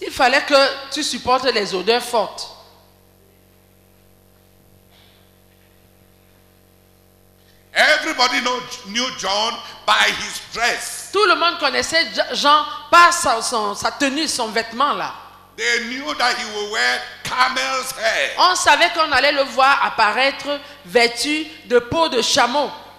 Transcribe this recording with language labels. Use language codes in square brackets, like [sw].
[fr] Il fallait que tu supportes les odeurs fortes. [en] Everybody knew John by his dress. [fr] Tout le monde connaissait Jean par sa tenue, son vêtement là. [en] They knew that he would wear camel's hair. [fr] On savait qu'on allait le voir apparaître vêtu de peau de chameau.